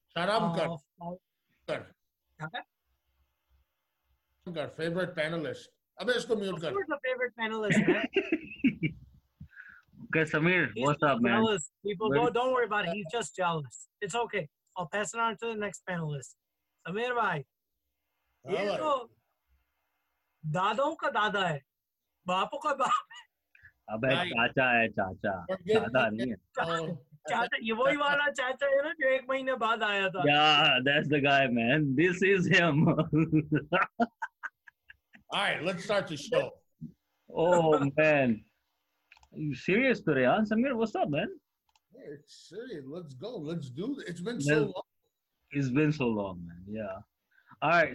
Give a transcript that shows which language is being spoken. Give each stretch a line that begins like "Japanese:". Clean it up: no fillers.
Hindi: Sharam kar.
English: Favorite panelist.
Hindi: Abhi isko mute kar.
English: Who's the favorite panelist, man? Okay, Samir, what's up, man? Jealous. People, don't worry about it. He's just jealous. It's okay. I'll pass it on to the next panelist.
Hindi: Sameer भाई. ये तो दादों का दादा है. बापो का बाप है. Abhe chacha hai chacha. Dada nahi hai. चाचा, ये वोही वाला चाचा है ना जो एक महीने बाद आया था.
English: Yeah, that's the guy, man. This is him. All right, let's start the show. Oh, man. Are you serious today, huh? Samir, what's up, man? It's silly. Let's go. Let's do it. It's been so long. It's been so long, man. Yeah. All right.